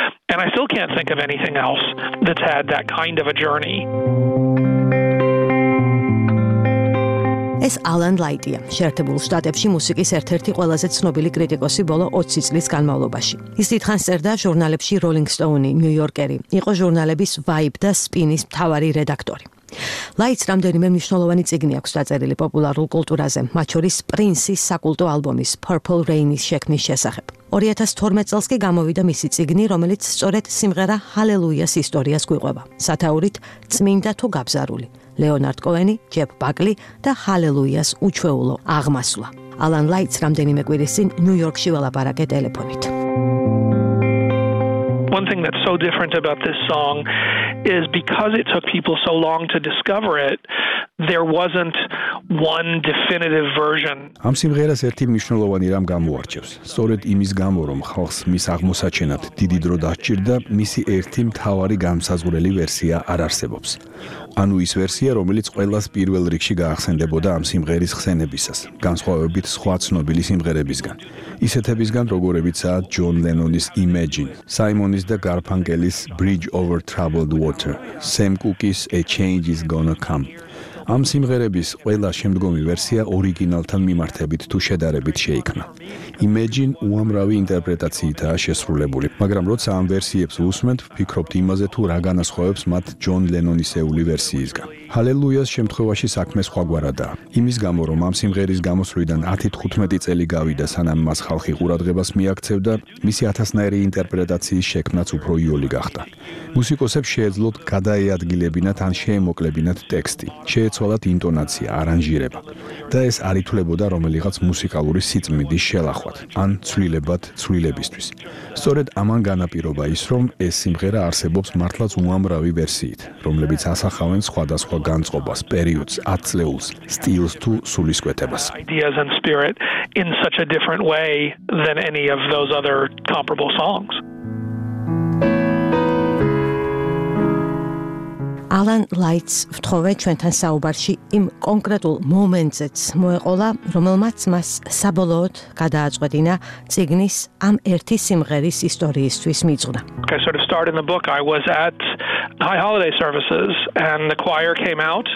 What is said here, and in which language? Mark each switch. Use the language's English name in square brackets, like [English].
[English] And I still can't think of anything else that's had that kind of a journey. [Georgian] ეს ალან ლაიტია, შეერთებულ შტატებში მუსიკის ერთ-ერთი ყველაზე ცნობილი კრიტიკოსი ბოლო 20 წლის განმავლობაში. ის თითქოს წერდა ჟურნალებში Rolling Stone-ი, New Yorker-ი, იყო ჟურნალების Vibe და Spin-ის მთავარი რედაქტორი. ლაიტს რამდენიმე მნიშვნელოვანი წიგნი აქვს დაწერილი პოპულარულ კულტურაზე, მათ შორის პრინსის საკულტო ალბომის Purple Rain-ის შექმნის შესახებ. 2012 წელს კი გამოვიდა მისი წიგნი, რომელიც სწორედ სიმღერა Alleluia-ს ისტორიას გვიყვება. სათაურით: წმინდა თუ გაბზარული. Leonard Cohen-ი, Jeff Buckley და Alleluia-ს უჩვეულო აღმასვლა. Alan Lights რამდენიმე კვირის წინ ნიუ-იორკში ველაპარაკე ტელეფონით. [English] One thing that's so different about this song is because it took people so long to discover it, there wasn't one definitive version. [Georgian] ამ სიმღერას ერთი მნიშვნელოვანი რამ გამოარჩევს. სწორედ იმის გამო, რომ ხალხს მის აღმოსაჩენად დიდი დრო დასჭირდა, მისი ერთი მთავარი განსაზღვრელი ვერსია არ არსებობს. ანუ ის ვერსია, რომელიც ყველას პირველ რიგში გაახსენდებოდა ამ სიმღერის ხსენებისას, განსხვავებით სხვა ცნობილი სიმღერებისგან. ისეთებისგან, როგორებიცაა ჯონ ლენონის Imagine, საიმონის და გარფანკელის Bridge Over Troubled Water, Sam Cooke-ის A Change Is Gonna Come. ამ სიმღერების ყველა შემდგომი ვერსია ორიგინალთან მიმართებით თუ შედარებით შეიქმნა. Imagine უამრავი ინტერპრეტაციითაა შესრულებული, მაგრამ როცა ამ ვერსიებს უსმენთ, ფიქრობთ იმაზე, თუ რა განასხვავებს მათ ჯონ ლენონისეული ვერსიისგან. Alleluia-ს შემთხვევაში საქმე სხვაგვარადაა. იმის გამო, რომ ამ სიმღერის გამოსვლიდან 10-15 წელი გავიდა, სანამ მას ხალხი ყურადღებას მიაქცევდა, მისი ათასნაირი ინტერპრეტაციის შექმნაც უფრო იოლი გახდა. მუსიკოსებს შეეძლოთ გადაეადგილებინათ ან შეემოკლებინათ ტექსტი, შეეცვალათ ინტონაცია, არანჟირება და ეს არ ითვლებოდა რომელიღაც მუსიკალური სიწმინდის შელახვად ან ცვლილებად ცვლილებისთვის. სწორედ ამან განაპირობა ის, რომ ეს სიმღერა არსებობს მართლაც უამრავი ვერსიით, რომლებიც ასახავენ სხვადასხვა განწყობას, პერიოდს, ათწლეულს, სტილს თუ სულისკვეთებას. [English] Ideas and spirit in such a different way than any of those other comparable songs. [Georgian] Alan Lights ვთხოვე ჩვენთან საუბარში იმ კონკრეტულ მომენტზეც მოეყოლა, რომელმაც მას საბოლოოდ გადააწყვეტინა წიგნის ამ ერთი სიმღერის ისტორიისთვის მიძღვნა. [English] I sort of started in the book I was at High Holiday Services and the choir came out.